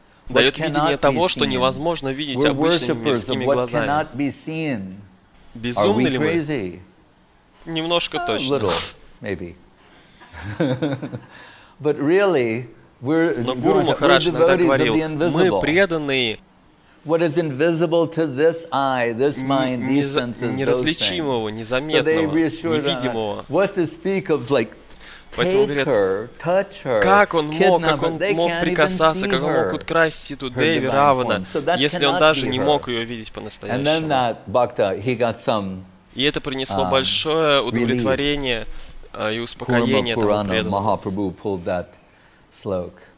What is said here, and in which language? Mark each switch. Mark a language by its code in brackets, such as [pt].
[ru] Дает видение того, что невозможно видеть обычными мирскими глазами. Безумны ли мы? Немножко точно. [en] Little, maybe. But really, we're, [ru] Но Гуру Махарадж иногда говорил, мы преданные [en] What is invisible to this eye, this mind, these senses, [ru] неразличимого, незаметного, невидимого. [en] What to speak of, like, take her, touch her, [ru] как он мог прикасаться, как он мог украсть Ситу Деви Равана, если он даже не мог ее видеть по-настоящему. И это принесло большое удовлетворение и успокоение этому преданному.